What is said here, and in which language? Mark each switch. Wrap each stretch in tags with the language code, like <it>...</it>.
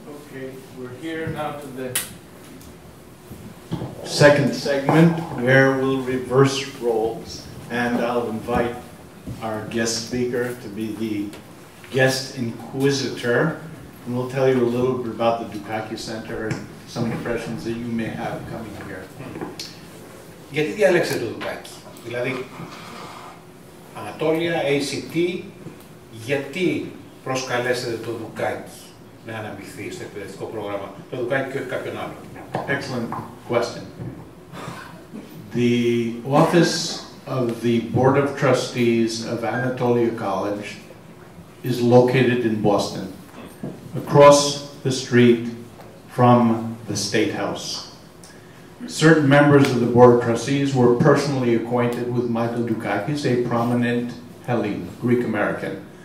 <en>Okay, we're here now to the second segment, where we'll reverse roles, and I'll invite our guest speaker to be the guest inquisitor, and we'll tell you a little bit about the Dukakis Center and some impressions that you may have coming here.</en> <el>Γιατί διάλεξε το Dukakis, δηλαδή Ανατόλια, ACT, γιατί προσκαλέσατε το Dukakis να αναμειχθεί στο εκπαιδευτικό πρόγραμμα, το Dukakis και όχι κάποιον άλλο.</el> <en>Excellent question. The office of the Board of Trustees of Anatolia College is located in Boston, across the street from the State House. Certain members of the Board of Trustees were personally acquainted with Michael Dukakis, a prominent Hellene, Greek-American.</en>